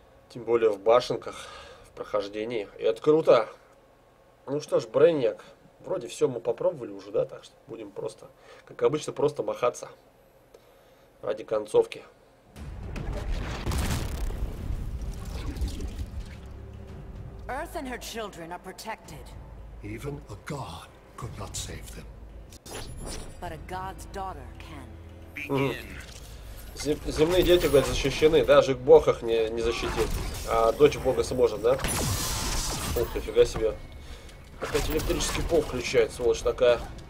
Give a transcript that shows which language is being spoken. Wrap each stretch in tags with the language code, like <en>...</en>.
<ru>Тем более в башенках, в прохождении. И это круто. Ну что ж, Брейниак, вроде все мы попробовали уже, да, так что будем просто, как обычно, просто махаться ради концовки.</ru> <en>Earth and her children are protected. Even a god could not save them. But a god's daughter can.</en> <ru>Земные дети, говорят, защищены, даже бог их не защитит, а дочь бога сможет, да? Ух ты, фига себе. Опять электрический пол включает, сволочь такая.</ru>